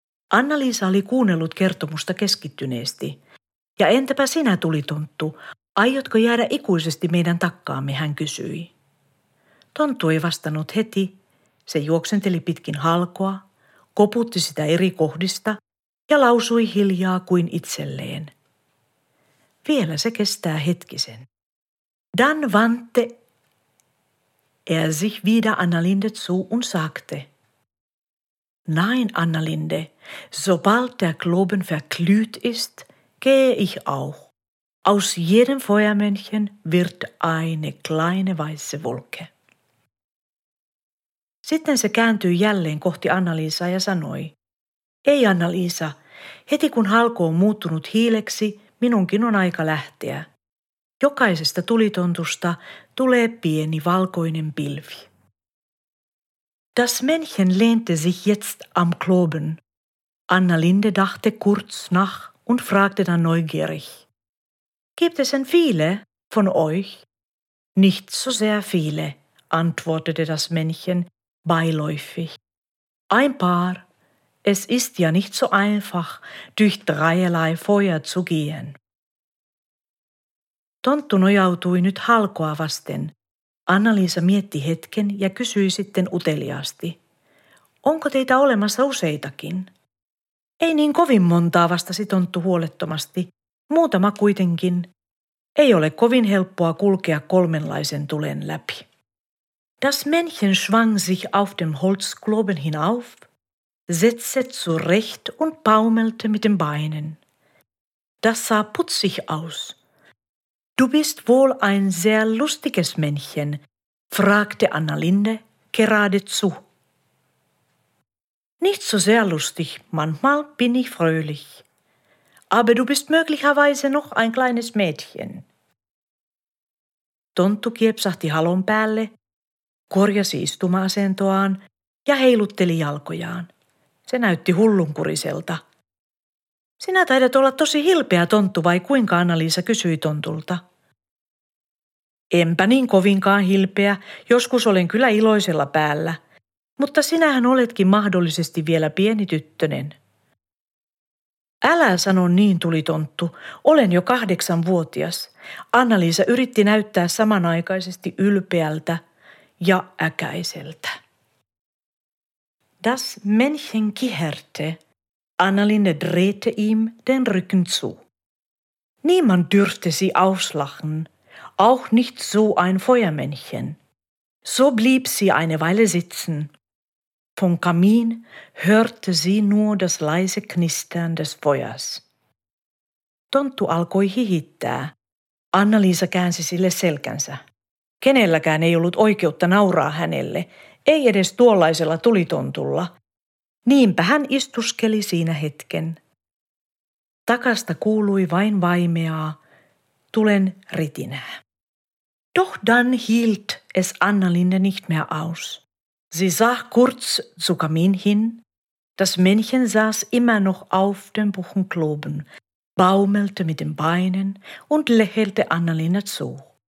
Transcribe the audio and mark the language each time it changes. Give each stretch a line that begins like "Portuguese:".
Finnish: Anna-Liisa oli kuunnellut kertomusta keskittyneesti. Ja entäpä sinä, tulitonttu, aiotko jäädä ikuisesti meidän takkaamme, hän kysyi. Tonttu ei vastannut heti. Se juoksenteli pitkin halkoa, koputti sitä eri kohdista ja lausui hiljaa kuin itselleen. Vielä se kestää hetkisen.
German: Dann wandte er sich wieder Annalinde zu und sagte. Nein, Annalinde, sobald der Globen verglüht ist, gehe ich auch. Aus jedem Feuermännchen wird eine kleine weiße Wolke. Sitten se kääntyi jälleen kohti Anna-Liisaa ja sanoi, ei Anna-Liisa, heti kun halko on muuttunut hiileksi, minunkin on aika lähteä. Jokaisesta tulitontusta tulee pieni valkoinen pilvi. Das Männchen lehnte sich jetzt am Globen. Annalinde dachte kurz nach und fragte dann neugierig. Gibt es denn viele von euch? Nicht so sehr viele, antwortete das Männchen beiläufig. Ein paar. Es ist ja nicht so einfach, durch dreierlei Feuer zu gehen.
Finnish: Tonttu nojautui nyt halkoa vasten. Anna-Liisa mietti hetken ja kysyi sitten uteliaasti. Onko teitä olemassa useitakin? Ei niin kovin montaa, vastasi tonttu huolettomasti. Muutama kuitenkin. Ei ole kovin helppoa kulkea 3 tulen läpi.
German: Das Männchen schwang sich auf dem Holzgloben hinauf, setzte zurecht und baumelte mit den Beinen. Das sah putzig aus. Du bist wohl ein sehr lustiges Männchen, fragte Annalinde geradezu. Nicht so sehr lustig, manchmal bin ich fröhlich. Aber du bist möglicherweise noch ein kleines Mädchen.
Finnish: Tonttu kiepsahti halon päälle, korjasi istuma-asentoaan ja heilutteli jalkojaan. Se näytti hullunkuriselta. Sinä taidat olla tosi hilpeä, tonttu, vai kuinka, Anna-Liisa kysyi tontulta. Enpä niin kovinkaan hilpeä, joskus olen kyllä iloisella päällä, mutta sinähän oletkin mahdollisesti vielä pieni tyttönen. Älä sano niin, tuli tonttu, olen jo 8-vuotias. Anna-Liisa yritti näyttää samanaikaisesti ylpeältä ja äkäiseltä.
German: Das Männchen kiherte, Annalinde drehte ihm den Rücken zu. Niemand dürfte sie auslachen. Auch nicht so ein Feuermännchen. So blieb sie eine Weile sitzen. Vom Kamin hörte sie nur das leise Knistern des Feuers.
Finnish: Tonttu alkoi hihittää. Anna-Liisa käänsi sille selkänsä. Kenelläkään ei ollut oikeutta nauraa hänelle, ei edes tuollaisella tulitontulla. Niinpä hän istuskeli siinä hetken. Takasta kuului vain vaimeaa. Tulen ritinää.
German: Doch dann hielt es Annalinde nicht mehr aus. Sie sah kurz zu Kamin hin. Das Männchen saß immer noch auf dem Buchenkloben, baumelte mit den Beinen und lächelte Annalinde zu.